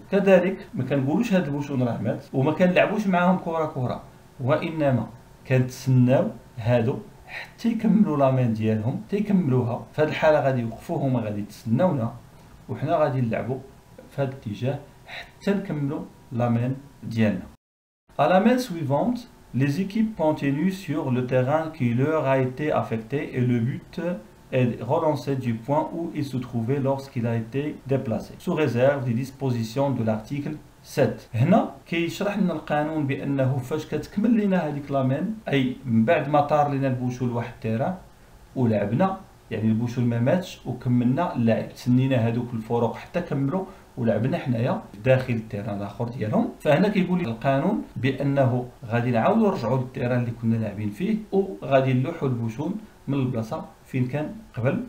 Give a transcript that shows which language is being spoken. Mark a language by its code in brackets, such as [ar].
[ar] كذلك ما كنقولوش هاد البوشون راه مات وما كنلعبوش معاهم كره كره، وانما كنتسناو هادو حتى يكملوا لامين ديالهم حتى يكملوها، في هذه الحاله غادي يوقفوا هما غادي يتسناونا وحنا غادي نلعبوا في هذا الاتجاه حتى نكملوا لامين ديالنا. [fr] À la main suivante, les équipes continuent sur le terrain qui leur a été affecté et le but est relancé du point où il se trouvait lorsqu'il a été déplacé, sous réserve des dispositions de l'article 7. [ar] هنا كيشرح لنا القانون بانه فاش كتكمل لنا هذيك لامين، اي من بعد ما طار لنا البوشول واحد التيران ولعبنا، يعني البوشول ما ماتش وكملنا اللعب، تسنينا هذوك الفرق حتى كملوا ولعبنا حنايا داخل التيران الاخر ديالهم، فهنا كيقول القانون بانه غادي نعاودوا نرجعوا للتيران اللي كنا لاعبين فيه وغادي نلوحوا البوشول من البلاصه فين كان قبل.